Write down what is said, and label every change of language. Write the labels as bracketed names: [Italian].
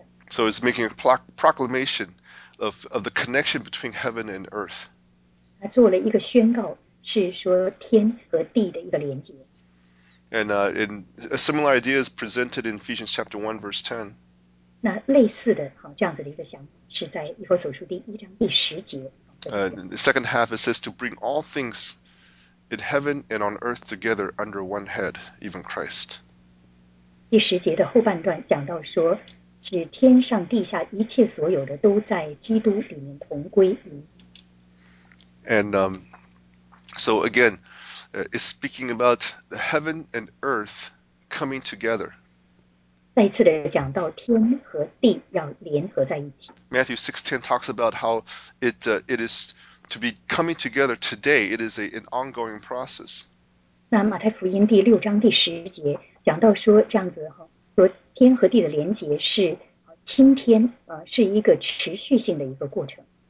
[English] So it's making a proclamation of the connection between heaven and earth. [Chinese] 他做了一个宣告，是说天和地的一个连接。 [English] And in a similar idea is presented in Ephesians chapter 1 verse 10. [Chinese] 那类似的，好，这样子的一个想法是在以弗所书第一章第十节。 [English] The second half it says to bring all things in heaven and on earth together under one head, even Christ. [Chinese] 第十节的后半段讲到说，指天上地下一切所有的都在基督里面同归于。 [English] And so again, it's speaking about the heaven and earth coming together. [Chinese] 再一次的讲到天和地要联合在一起。 [English] Matthew 6:10 talks about how it is to be coming together today. It is an ongoing process. [Chinese] 那马太福音第六章第十节。讲到说这样子哈，说天和地的连接是今天是一个持续性的一个过程。